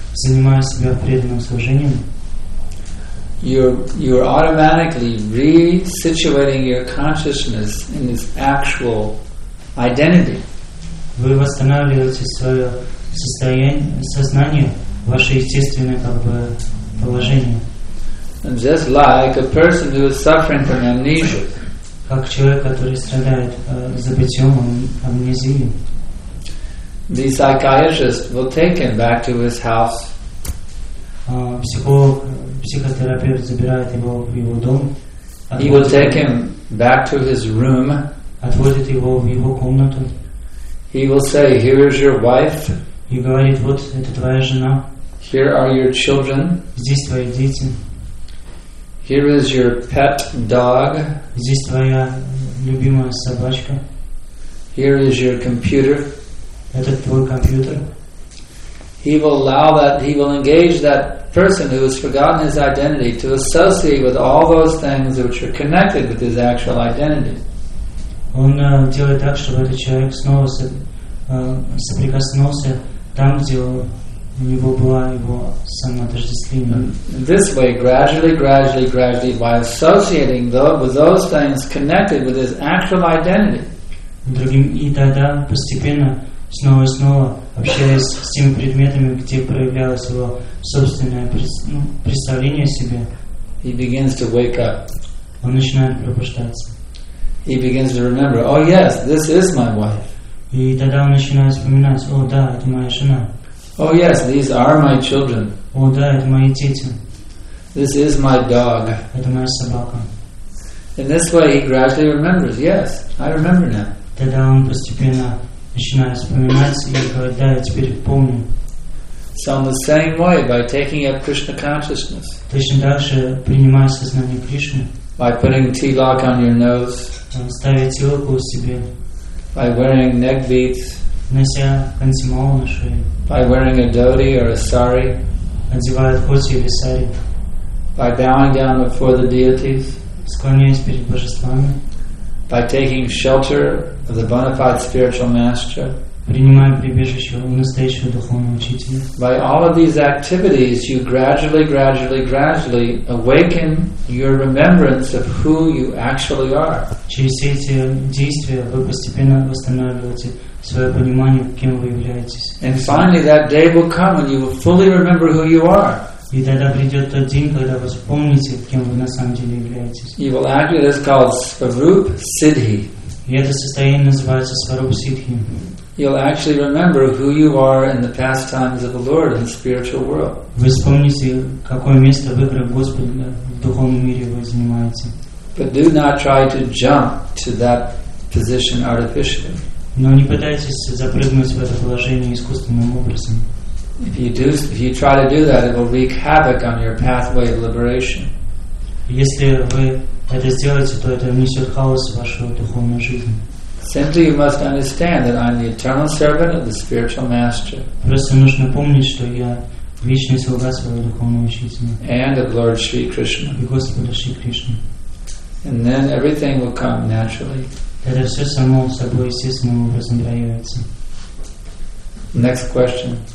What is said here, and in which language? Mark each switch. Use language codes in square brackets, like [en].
[ru] занимая себя преданным служением, [en] you're automatically re-situating your consciousness in its actual identity. [ru] Вы восстанавливаете свое состояние, сознание, ваше естественное как бы положение. [en] And just like a person who is suffering from amnesia. [ru] Как человек, который страдает забытьем, амнезией. [en] The psychiatrist will take him back to his house. [ru] Психотерапевт забирает его в его дом. [en] He will take him back to his room. [ru] Отводит его в его комнату. [en] He will say, "Here is your wife." [ru] И говорит, вот это твоя жена. [en] Here are your children. [ru] Здесь твои дети. [en] Here is your pet dog. [ru] Здесь твоя любимая собачка. [en] Here is your computer. [ru] Это твой компьютер. [en] He will engage that person who has forgotten his identity to associate with all those things which are connected with his actual identity. [ru] Он делает так, чтобы этот человек снова соприкоснулся там, где у него была его самоотождествление. [en] This way, gradually, by associating with those things connected with his actual identity. [ru] Другим и тогда постепенно. Снова и снова общаясь с теми предметами, где проявлялось его собственное представление о себе. [en] He begins to wake up. [ru] Он начинает пробуждаться. [en] He begins to remember, oh yes, this is my wife. [ru] И тогда он начинает вспоминать, о да, это моя жена. [en] Oh yes, these are my children. [ru] О да, это мои дети. [en] This is my dog. [ru] Это моя собака. [en] In this way he gradually remembers, yes, I remember now. [ru] Тогда он постепенно начинаю вспоминать и говорю, да, я теперь помню. [en] So in the same way, by taking up Krishna consciousness. [ru] Точно так же, принимая сознание Кришны. [en] By putting tilak on your nose. [ru] Ставить тилок у себя. [en] By wearing neck beads. [ru] Нося кандимал на шее. [en] By wearing a dhoti or a sari. [ru] Одевает хоть или сари. [en] By bowing down before the deities. [ru] Склоняясь перед божествами. [en] By taking shelter of the bona fide spiritual master. [ru] Принимая прибежище у настоящего духовного учителя. [en] By all of these activities, you gradually awaken your remembrance of who you actually are. [ru] Через эти действия вы постепенно восстанавливаете свое понимание, кем вы являетесь. [en] And finally, that day will come when you will fully remember who you are. [ru] И тогда придет тот день, когда вы вспомните, кем вы на самом деле являетесь. [en] You will act, it is called Svarup Siddhi. [ru] И это состояние называется Svarup Siddhi. [en] You'll actually remember who you are in the pastimes of the Lord in the spiritual world. [ru] Вы вспомните, какое место выбрал Господь в духовном мире, вы занимаете. [en] But do not try to jump to that position artificially. [ru] Но не пытайтесь запрыгнуть в это положение искусственным образом. [en] If you try to do that, it will wreak havoc on your pathway of liberation. [ru] Если вы это сделаете, то это внесет хаос в вашу духовную жизнь. [en] Simply, you must understand that I am the eternal servant of the spiritual master. [ru] Просто нужно помнить, что я вечный слуга своего духовного учителя. [en] And of Lord Sri Krishna. [ru] И Господа Шри Кришны. [en] And then everything will come naturally. [ru] Это все само собой естественным образом проявится. [en] Next question.